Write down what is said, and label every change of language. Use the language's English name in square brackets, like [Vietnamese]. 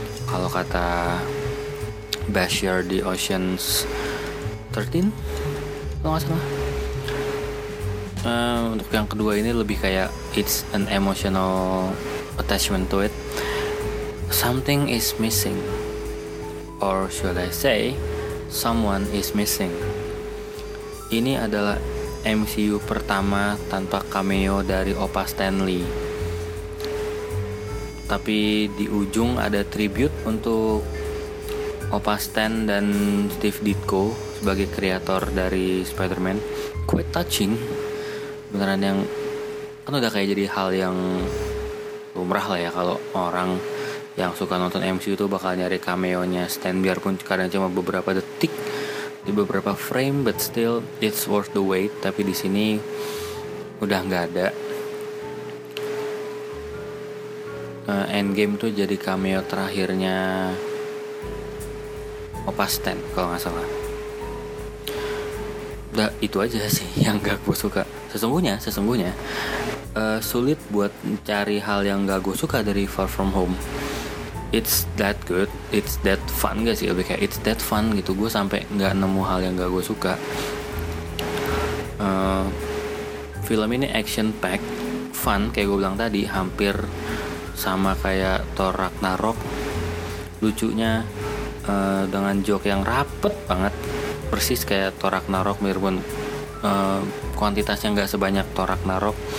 [Indonesian] Kalau kata Bashir di Ocean's 13, kalau nggak salah. Untuk yang kedua ini lebih kayak [English] it's an emotional attachment to it. Something is missing, or should I say, someone is missing. [Indonesian] Ini adalah MCU pertama tanpa cameo dari Opa Stan Lee. Tapi di ujung ada tribute untuk Opa Stan dan Steve Ditko sebagai kreator dari Spider-Man. [English] Quite touching. [Indonesian] Beneran yang kan udah kayak jadi hal yang lumrah lah ya, kalau orang yang suka nonton MCU itu bakal nyari cameo-nya Stan, biarpun kadang cuma beberapa detik di beberapa frame, [English] but still it's worth the wait. [Indonesian] Tapi di sini udah nggak ada. Endgame tuh jadi cameo terakhirnya Opa Stan kalau nggak salah. Udah itu aja sih yang gak gue suka. Sesungguhnya sulit buat cari hal yang gak gue suka dari Far From Home. [English] It's that good, it's that fun [Indonesian] gak sih? Lebih kayak [English] it's that fun [Indonesian] gitu. Gue sampai gak nemu hal yang gak gue suka. Film ini action packed, fun kayak gue bilang tadi, hampir sama kayak Thor Ragnarok. Lucunya dengan joke yang rapet banget, persis kayak Thor Ragnarok, meskipun kuantitasnya nggak sebanyak Thor Ragnarok.